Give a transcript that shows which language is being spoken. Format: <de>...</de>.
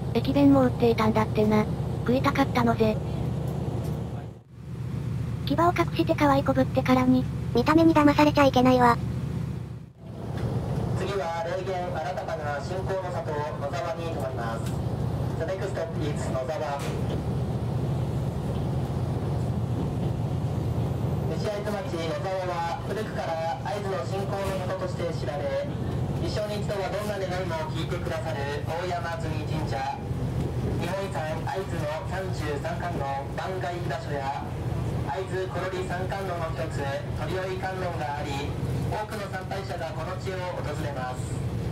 <ja>駅弁も売っていたんだってな。食いたかったのぜ。牙を隠して可愛い子ぶってからに。見た目に騙されちゃいけないわ。次は霊源新たかな信仰の里野沢に止まります。</ja> <en>The next stop is 野沢。</en> <ja>西会津町野沢は古くから会津の信仰の里として知られ、一生に一度はどんな願いも聞いてくださる大山積神社、日本遺産会津の三十三冠の番外札所や会津コロリ三冠の一つ鳥追観音があり、多くの参拝者がこの地を訪れます。</ja>